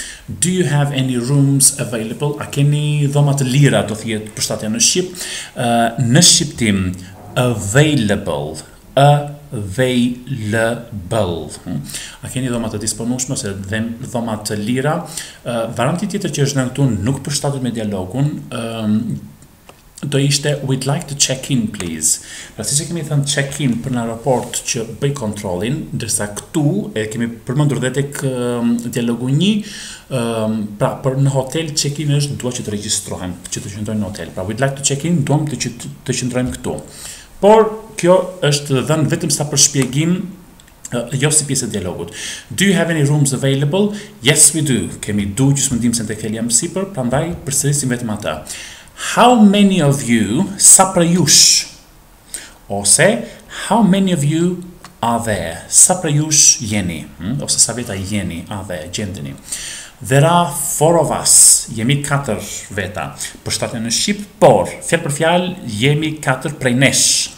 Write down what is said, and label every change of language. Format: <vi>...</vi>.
<en>Do you have any rooms available?</en> <sq>A keni dhomat lira, do thjetë përshtatja në Shqip? Në Shqiptim, available, available. A keni dhomat të disponushme ose dhomat të lira? Varianti tjetër që është në këtu nuk përshtatet me dialogun, do ishte</sq> <en>we'd like to check in please.</en> <sq>Pra siç e kemi thënë check in për në aeroport që bëj kontrollin, ndërsa këtu e kemi përmendur edhe tek dialogu 1, pra për në hotel check-in është dua që të regjistrohem, që të qëndrojmë në hotel. Pra</sq> <en>we'd like to check in,</en> <sq>duam të qëndrojmë këtu. Por, kjo është dhënë vetëm sa për shpjegim, jo si pjesë e dialogut.</sq> <en>Do you have any rooms available? Yes, we do.</en> <sq>Kemi du që së mëndim se në të kelja mësipër, pra ndaj përsërisim vetëm ata.</sq> <en>How many of you,</en> <sq>sa për jush?</sq> <en>Ose, how many of you are there?</en> <sq>Sa për jush jeni? Ose sa veta jeni,</sq> <en>are there,</en> <sq>gjendeni?</sq> <en>There are four of us,</en> <sq>jemi katër veta, për shtatë në Shqip, por, fjallë për fjallë, jemi katër prej nesh.</sq>